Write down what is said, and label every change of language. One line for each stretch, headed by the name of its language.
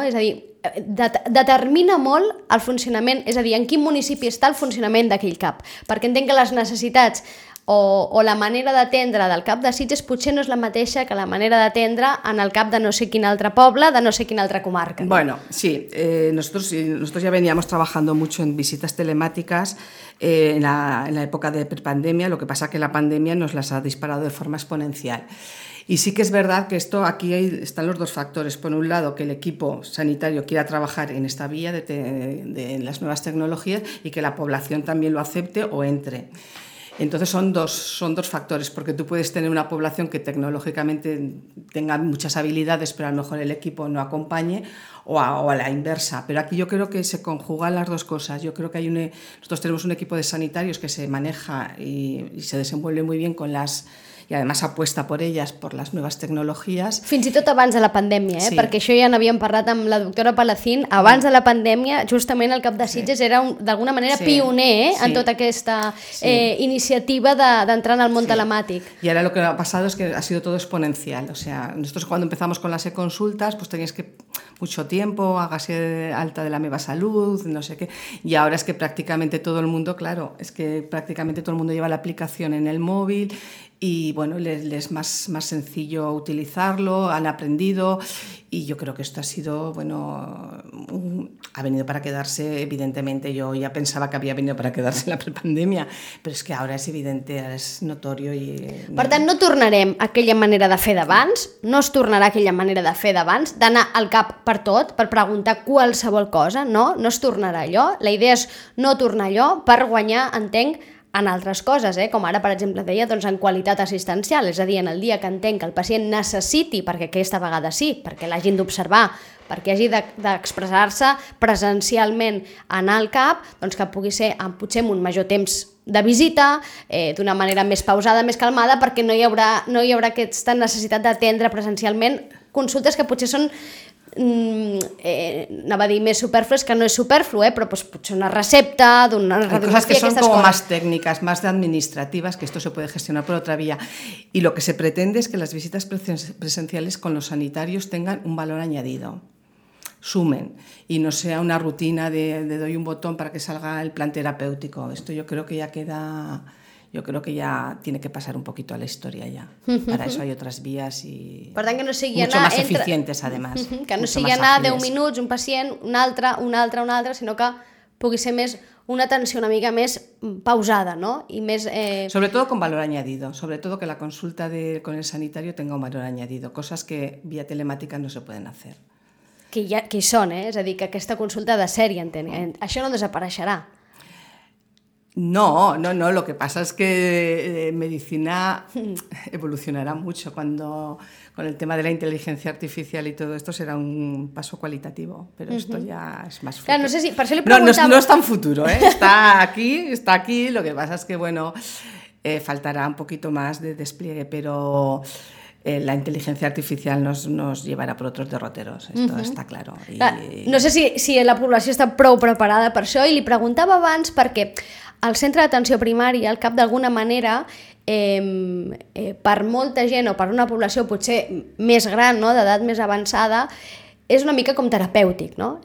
Catalan: És a dir, determina molt el funcionament, és a dir, en quin municipi està el funcionament d'aquell CAP. Perquè entenc que les necessitats o la manera d'atendre del CAP de Sitges potser no és la mateixa que la manera d'atendre en el CAP de no sé quin altre poble, de no sé quina altra comarca. No?
Spanish: Bueno, sí, nosotros ya veníamos trabajando mucho en visitas telemáticas, en la época de prepandemia, lo que pasa que la pandemia nos las ha disparado de forma exponencial. Y sí que es verdad que esto aquí están los dos factores. Por un lado, que el equipo sanitario quiera trabajar en esta vía de las nuevas tecnologías y que la población también lo acepte o entre. Entonces son dos factores, porque tú puedes tener una población que tecnológicamente tenga muchas habilidades, pero a lo mejor el equipo no acompañe, o a la inversa. Pero aquí yo creo que se conjugan las dos cosas. Yo creo que nosotros tenemos un equipo de sanitarios que se maneja y se desenvuelve muy bien con las... i además apuesta por ellas, por las nuevas tecnologías.
Catalan: Fins i tot abans de la pandèmia, sí. Perquè això ja n'havíem parlat amb la doctora Palacín, abans de la pandèmia, justament el CAP de Sitges era d'alguna manera pioner en tota aquesta iniciativa d'entrar en el món telemàtic.
Spanish: Y ahora lo que ha pasado es que ha sido todo exponencial. O sea, nosotros cuando empezamos con las e-consultas, pues tenías que mucho tiempo, hágase alta de la Meva Salud, no sé qué. Y ahora es que prácticamente todo el mundo, claro, es que prácticamente todo el mundo lleva la aplicación en el móvil, y bueno, les es más sencillo utilizarlo, han aprendido, y yo creo que esto ha sido, bueno, ha venido para quedarse, evidentemente. Yo ya pensaba que había venido para quedarse la prepandemia,
Catalan: però és que ara és evident, és
Spanish: notorio i...
Catalan: Per tant, no tornarem a aquella manera de fer d'abans, no es tornarà a aquella manera de fer d'abans, d'anar al cap per tot, per preguntar qualsevol cosa, no? No es tornarà allò. La idea és no tornar allò per guanyar, entenc, en altres coses, com ara, per exemple, deia, doncs en qualitat assistencial, és a dir, en el dia que entenc que el pacient necessiti, perquè aquesta vegada sí, perquè l'hagin d'observar, perquè hagi d'expressar-se presencialment en el CAP, doncs que pugui ser potser amb un major temps de visita, d'una manera més pausada, més calmada, perquè no hi haurà aquesta necessitat d'atendre presencialment consultes que potser són... anava a dir més superflues, que no és superflu, però pues, potser una recepta d'una radiografia, coses que són com més tècniques, més administratives, que
Spanish: esto se puede gestionar por otra vía, y lo que se pretende es que las visitas presenciales con los sanitarios tengan un valor añadido, sumen, y no sea una rutina de doy un botón para que salga el plan terapéutico. Esto yo creo que ya queda...
Catalan: Jo crec que ja
Spanish: tiene que
Catalan: passar
Spanish: un poquito
Catalan: a la història ja. Per això hi ha altres vies i... Per tant, que no sigui
Spanish: mucho anar... Mucho más eficientes, además.
Catalan: Que no sigui anar 10 minuts, un pacient, un altre, sinó que pugui ser més una atenció una mica més pausada, no? I més...
Spanish: Sobretot con valor añadido. Sobretot que la consulta con el sanitario tenga un valor añadido. Cosas que vía telemática no se pueden hacer.
Catalan: Que ja, que hi són, És a dir, que aquesta consulta de sèrie, entenc. Això no desapareixerà.
Spanish: No, lo que pasa es que medicina evolucionará mucho cuando con el tema de la inteligencia artificial y todo esto será un paso cualitativo, pero esto ya es más futuro.
Catalan: Claro, no sé si, per això li preguntava...
Spanish: No, no es tan futuro, está aquí, lo que pasa es que, bueno, faltará un poquito más de despliegue, pero la inteligencia artificial nos llevará por otros derroteros, esto está claro.
Catalan: No sé si la població està prou preparada per això, i li preguntava abans perquè... El centre d'atenció primària, al cap d'alguna manera, per molta gent o per una població potser més gran, no, d'edat més avançada, és una mica com terapèutic, no?